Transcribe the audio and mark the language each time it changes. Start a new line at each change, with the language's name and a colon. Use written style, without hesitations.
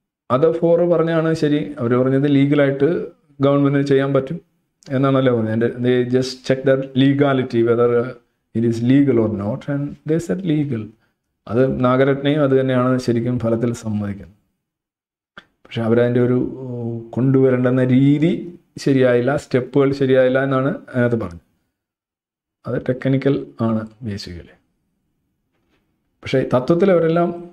English: Other four
Malayalam: പറഞ്ഞാണ് ശരി. അവർ പറഞ്ഞത് ലീഗലായിട്ട് ഗവൺമെൻറ്റിന് ചെയ്യാൻ പറ്റും എന്നാണല്ലോ പറഞ്ഞത്.
English: They just check their legality, whether it is legal or not, and they said legal.
Malayalam: അത് നാഗരത്നയും അത് തന്നെയാണ് ശരിക്കും ഫലത്തിൽ സമ്മതിക്കുന്നത്. പക്ഷേ അവരതിൻ്റെ ഒരു കൊണ്ടുവരേണ്ടെന്ന രീതി ശരിയായില്ല, സ്റ്റെപ്പുകൾ ശരിയായില്ല എന്നാണ് അതിനകത്ത് പറഞ്ഞത്. അത് ടെക്നിക്കൽ ആണ് ബേസിക്കലി. പക്ഷേ തത്വത്തിൽ അവരെല്ലാം